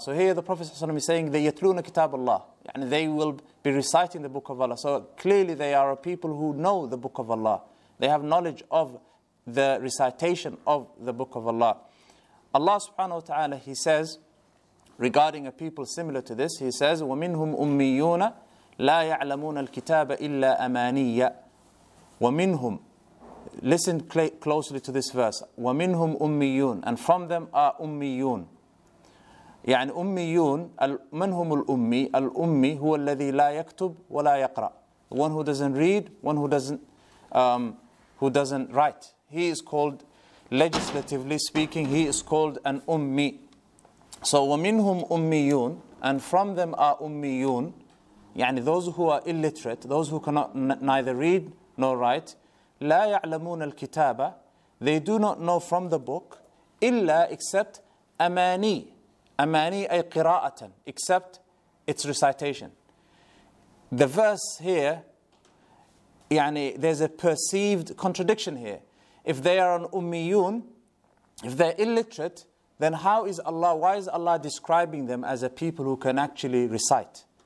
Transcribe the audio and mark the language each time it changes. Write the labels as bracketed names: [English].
[English] So here the Prophet ﷺ is saying, they [Arabic] يَتْلُونَ كِتَابَ اللَّهِ, [English] and they will be reciting the book of Allah. So clearly they are a people who know the book of Allah. They have knowledge of the recitation of the book of Allah. Allah subhanahu wa ta'ala, he says, regarding a people similar to this, he says, [Arabic] وَمِنْهُمْ أُمِّيُّونَ لا يعلمون الكتاب إلا أمانية ومنهم. [English] Listen closely to this verse. [Arabic] ومنهم أميون. [English] And from them are أميون. [Arabic] يعني أميون. من هم الأمي؟ الأمي هو الذي لا يكتب ولا يقرأ. [English] The one who doesn't read, one who doesn't write. He is called, legislatively speaking, he is called an أمي. [Arabic] So ومنهم أميون. [English] And from them are أميون. يعني those who are illiterate, those who cannot neither read nor write. [Arabic] لا يعلمون الكتابة. [English] They do not know from the book. [Arabic] إلا except أماني. أماني أي قراءة. [English] Except its recitation. The verse here, يعني there's a perceived contradiction here. If they are an أميون, if they're illiterate, then how is Allah, why is Allah describing them as a people who can actually recite?